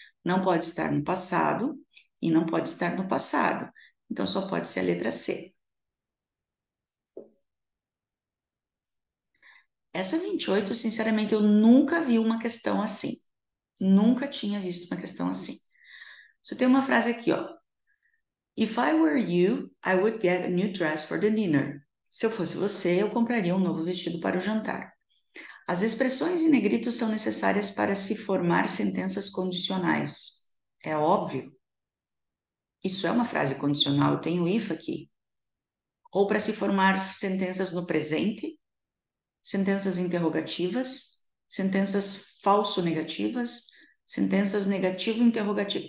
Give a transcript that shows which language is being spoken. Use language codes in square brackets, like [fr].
[pt] Não pode estar no passado e não pode estar no passado. Então, só pode ser a letra C. Essa 28, sinceramente, eu nunca vi uma questão assim. Nunca tinha visto uma questão assim. Só tem uma frase aqui, ó. [en] If I were you, I would get a new dress for the dinner. [pt] Se eu fosse você, eu compraria um novo vestido para o jantar. As expressões em negrito são necessárias para se formar sentenças condicionais. É óbvio? Isso é uma frase condicional, eu tenho if aqui. Ou para se formar sentenças no presente, sentenças interrogativas, sentenças falso-negativas, sentenças negativo-interrogativas.